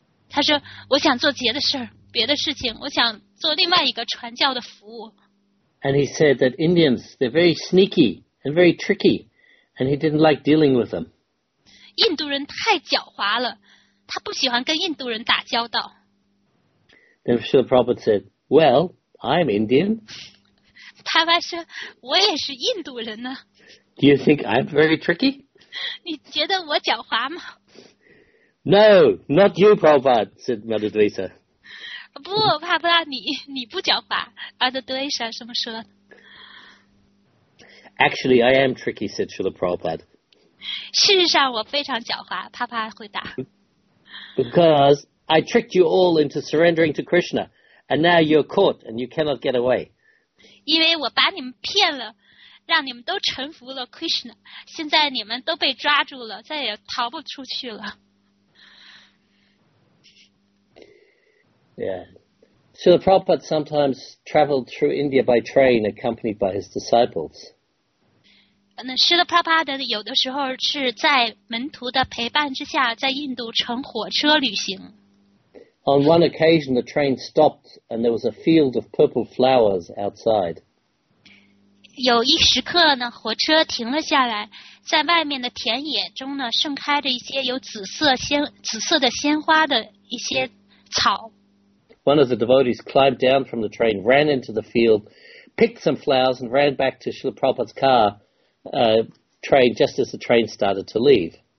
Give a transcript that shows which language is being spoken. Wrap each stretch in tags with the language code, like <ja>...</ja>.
<zh>他说我想做别的事情，我想做另外一个传教的服务。</zh> <en>And he said that Indians, they're very sneaky and very tricky, and he didn't like dealing with them.</en> <zh>印度人太狡猾了，他不喜欢跟印度人打交道。</zh> <en>Then Srila Prabhupada said, well, I'm Indian.</en> <zh>帕帕说我也是印度人呢。</zh> <en>Do you think I'm very tricky?</en> <zh>你觉得我狡猾吗？</zh> <en>No, not you, Prabhupada, said Madhvisa.</en> <zh>不，帕帕，你不狡猾。Madhvisa 什么说？</zh> <en>Actually, I am tricky, said Srila Prabhupada.</en> <zh>事实上我非常狡猾，帕帕回答。</zh> <en>Because I tricked you all into surrendering to Krishna, and now you're caught and you cannot get away.</en> <zh>因为我把你们骗了，让你们都臣服了 Krishna， 现在你们都被抓住了，再也逃不出去了。</zh> <en>Yeah. So the Prabhupada sometimes traveled through India by train accompanied by his disciples.</en> <zh>那是的 Prabhupada 有的时候是在门徒的陪伴之下在印度乘火车旅行。</zh> <en>On one occasion, the train stopped, and there was a field of purple flowers outside.</en> <zh>有一时刻呢，火车停了下来，在外面的田野中呢，盛开着一些有紫色的鲜花的一些草。</zh> <en>One of the devotees climbed down from the train, ran into the field, picked some flowers, and ran back to Srila Prabhupada's car, train just as the train started to leave.</en>